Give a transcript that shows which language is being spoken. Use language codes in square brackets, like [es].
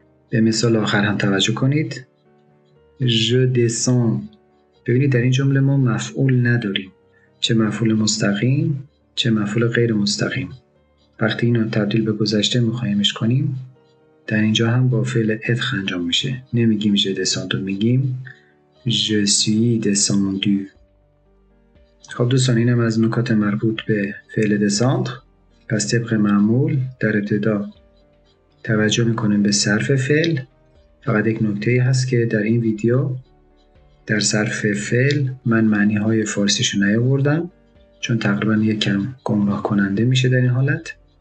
[fa] به مثال آخر هم توجه کنید. [fr] Je descends. [fa] ببینید در این جمله ما مفعول نداریم، چه مفعول مستقیم چه مفعول غیر مستقیم. وقتی اینو تبدیل به گذشته میخوایمش کنیم، در اینجا هم با فعل اتخ انجام میشه. نمیگیم [fr] Je descends، [fa] میگیم [fr] Je suis descendu. [fa] خب دوستان، اینم از نکات مربوط به فعل descendre. پس طبق معمول در ابتدا توجه میکنیم به صرف فعل. فقط یک نکته هست که در این ویدیو در صرف فعل من معنی های فارسیشو نیاوردم، چون تقریبا یکم گمراه کننده میشه در این حالت.